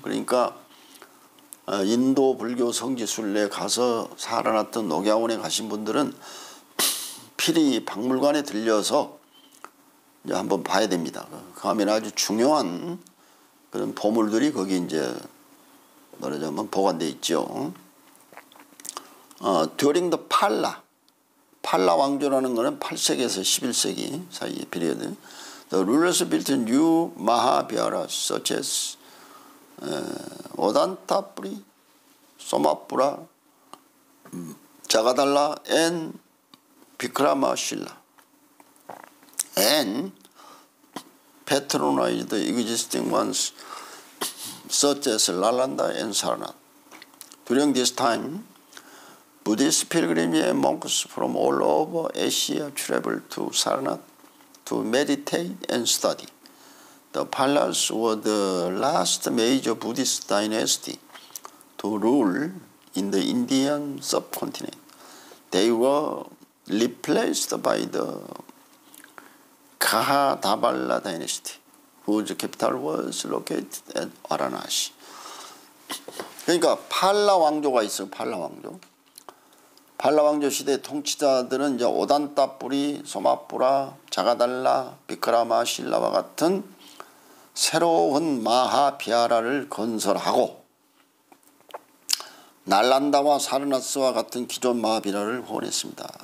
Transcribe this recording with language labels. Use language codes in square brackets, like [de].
[ko] 그러니까 인도 불교 성지 순례 가서 사르나트 녹야원에 가신 분들은 필히 박물관에 들려서 이제 한번 봐야 됩니다. 가면 아주 중요한 그런 보물들이 거기 이제 말하자면 보관되어 있죠. [en] 듀링 더 [ko] 팔라. 팔라 왕조라는 것은 8세기에서 11세기 사이의 피리어드. [en] The rulers built new Mahavihara such as Odantapuri, Somapura, Jagadala and Vikramashila. And patronized existing ones such as Nalanda and Sarnath. During this time, Buddhist pilgrims and monks from all over Asia traveled to Sarnath to meditate and study. The Pallas were the last major Buddhist dynasty to rule in the Indian subcontinent. They were replaced by the Kahadaballa dynasty, whose capital was located at Varanasi. [ko] 그러니까 팔라 왕조가 있어요. 팔라 왕조. 팔라 왕조 시대 통치자들은 이제 오단타뿌리, 소마뿌라, 자가달라, 비크라마실라와 같은 새로운 마하비하라를 건설하고 날란다와 사르나스와 같은 기존 마하비하라를 후원했습니다.